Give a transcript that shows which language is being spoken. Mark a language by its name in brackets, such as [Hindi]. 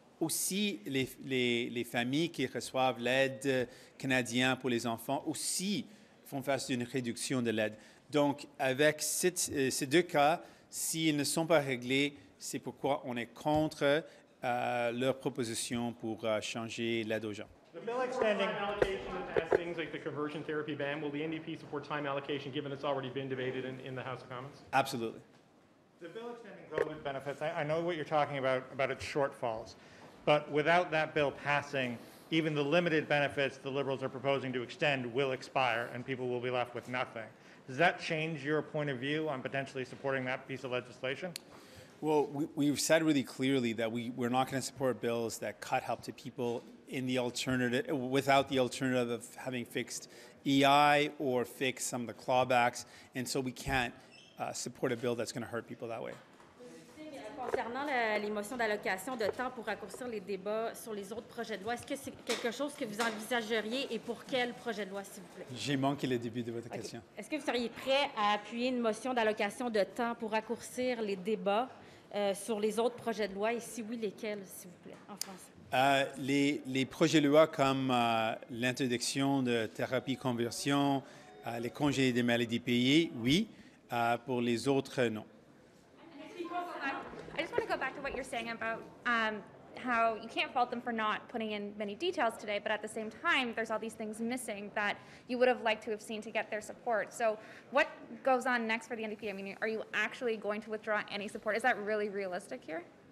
[French] Aussi, les familles qui reçoivent l'aide canadienne pour les enfants aussi font face à une réduction de l'aide. Donc, avec ces deux cas, s'ils ne sont pas réglés, c'est pourquoi on est contre leur proposition pour changer l'aide aux gens. [English] The bill extending things like the conversion therapy ban, will the NDP support time allocation given it's already been debated in the House of Commons? Absolutely. The bill extending COVID benefits, I know what you're talking about its shortfalls, but without that bill passing, even the limited benefits the Liberals are proposing to extend will expire and people will be left with nothing. Does that change your point of view on potentially supporting that piece of legislation? Well, we've said really clearly that we're not going to support bills that cut help to people in the alternative, without the alternative of having fixed EI or fixed some of the clawbacks, and so we can't support a bill that's going to hurt people that way. [French] Concernant les motions d'allocation de temps pour raccourcir les débats sur les autres projets de loi, est-ce que c'est quelque chose que vous envisageriez et pour quel projet de loi, s'il vous plaît? J'ai manqué le début de votre question. [English] Okay. [French] Est-ce que vous seriez prêt à appuyer une motion d'allocation de temps pour raccourcir les débats sur les autres projets de loi et si oui, lesquels, s'il vous plaît, en français? Les projets de loi comme l'interdiction de thérapie conversion, les congés des maladies payées, oui. Pour les autres, non. [English] I just want to go back to what you're saying about how you can't fault them for not putting in many details today, but at the same time, there's all these things missing that you would have liked to have seen to get their support. So what goes on next for the NDP? I mean, are you actually going to withdraw any support? Is that really realistic here?